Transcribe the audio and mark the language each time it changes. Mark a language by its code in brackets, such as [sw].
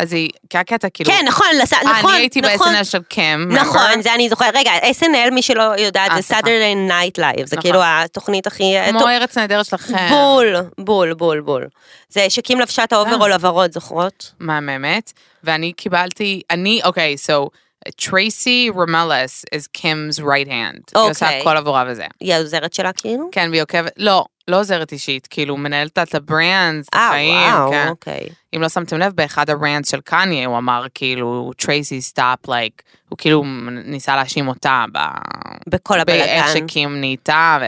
[he] אז היא, כקטע, כאילו... כן, נכון, נכון, נכון. אני הייתי ב-SNL של קם. נכון, זה אני זוכרת. רגע, SNL, מי שלא יודעת, זה Saturday Night Live. זה כאילו התוכנית הכי... כמו ארץ נהדרת שלכם. בול, בול, בול, בול. זה שקים לבשת האוברול הוורוד, זוכרות? מה, באמת? ואני קיבלתי... אני, אוקיי, [en] so, Tracy Romelis is Kim's right hand. [he] אוקיי. היא עושה כל עבורה וזה. היא עוזרת שלה, כאילו? כן, והיא עוקבת... לא, לא עוזרת אישית, כאילו מנהלת את הברנדס, את החיים, כן? אוקיי. אם לא שמתם לב, באחד הברנדס של קניה, הוא אמר כאילו, טרייסי סטאפ, like, הוא כאילו ניסה להשים אותה בכל הבלגן. באיך שקים נהייתה,